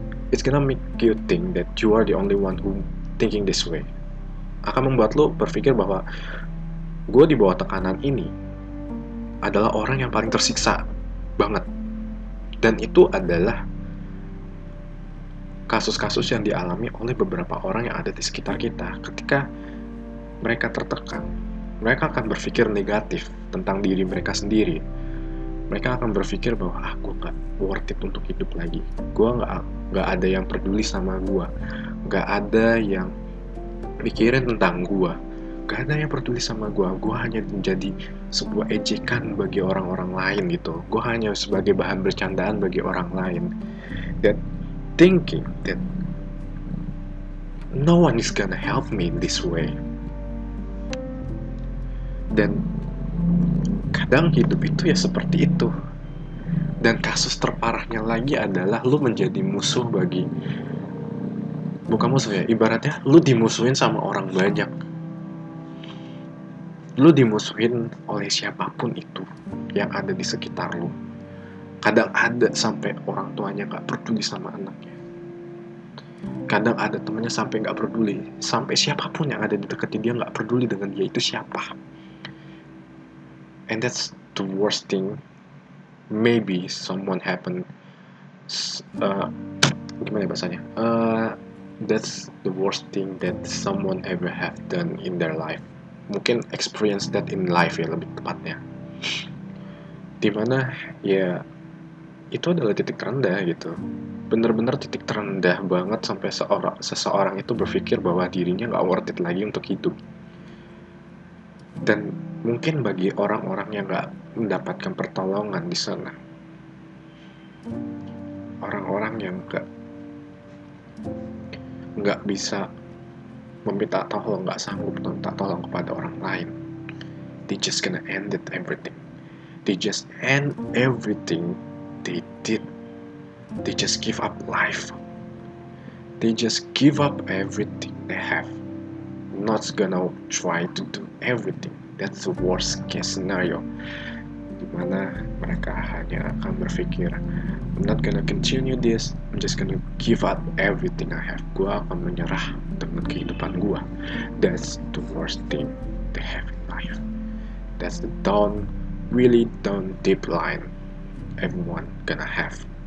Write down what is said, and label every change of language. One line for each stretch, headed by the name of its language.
English: It's gonna make you think that you are the only one who thinking this way.
Indonesian: Akan membuat lu berpikir bahwa gue di bawah tekanan ini adalah orang yang paling tersiksa banget. Dan itu adalah kasus-kasus yang dialami oleh beberapa orang yang ada di sekitar kita. Ketika mereka tertekan, mereka akan berpikir negatif tentang diri mereka sendiri. Mereka akan berpikir bahwa, ah, gue gak worth it untuk hidup lagi. Gue gak ada yang peduli sama gue. Gak ada yang mikirin tentang gue. Gak ada yang peduli sama gue. Gue hanya menjadi sebuah ejekan bagi orang-orang lain gitu. Gue hanya sebagai bahan bercandaan bagi orang lain.
English: That thinking that no one is gonna help me in this way.
Indonesian: Dan kadang hidup itu ya seperti itu. Dan kasus terparahnya lagi adalah lu menjadi musuh bagi, bukan musuh ya, ibaratnya lu dimusuhin sama orang banyak. Lu dimusuhin oleh siapapun itu yang ada di sekitar lu. Kadang ada sampai orang tuanya gak peduli sama anaknya. Kadang ada temannya sampai gak peduli. Sampai siapapun yang ada di deketin dia gak peduli dengan dia itu siapa.
English: And that's the worst thing maybe someone happened.
Indonesian: Gimana bahasanya?
English: That's the worst thing that someone ever have done in their life.
Indonesian: Mungkin
English: experience that in life
Indonesian: ya lebih tepatnya. Dimana ya itu adalah titik terendah gitu. Bener-bener titik terendah banget sampai seseorang itu berpikir bahwa dirinya gak worth it lagi untuk hidup. Dan mungkin bagi orang-orang yang gak mendapatkan pertolongan di sana, orang-orang yang gak bisa meminta tolong, gak sanggup meminta tolong kepada orang lain,
English: they just gonna end it everything. They just end everything they did. They just give up life. They just give up everything they have. Not gonna try to do everything. That's the worst case scenario.
Indonesian: Dimana mereka hanya akan berpikir,
English: I'm not gonna continue this. I'm just gonna give up everything I have.
Indonesian: Gua akan menyerah dengan kehidupan gua.
English: That's the worst thing they have in life. That's the down, really down deep line everyone gonna have.